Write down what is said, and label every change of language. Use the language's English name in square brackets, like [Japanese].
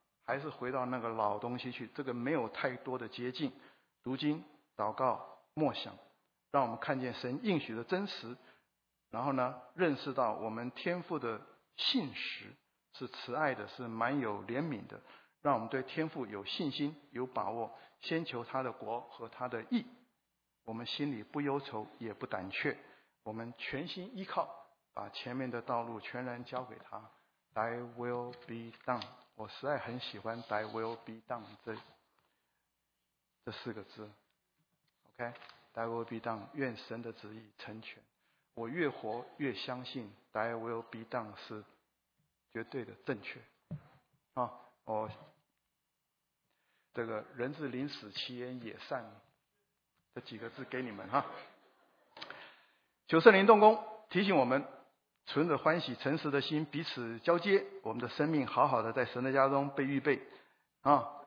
[Chinese] 还是回到那个老东西去，这个没有太多的捷径，读经、祷告、默想，让我们看见神应许的真实，然后呢认识到我们天父的信实是慈爱的，是蛮有怜悯的，让我们对天父有信心有把握，先求他的国和他的义，我们心里不忧愁也不胆怯，我们全心依靠，把前面的道路全然交给他。 [English] Thy will be done， [Chinese] 我实在很喜欢 Thy will be done 这四个字， OK， Thy will be done， 愿神的旨意成全。我越活越相信 [English] Thy will be done [Chinese] 是绝对的正确啊！我这个人至临死其言也善这几个字给你们哈。求圣灵动工提醒我们，存着欢喜诚实的心彼此交接，我们的生命好好的在神的家中被预备啊！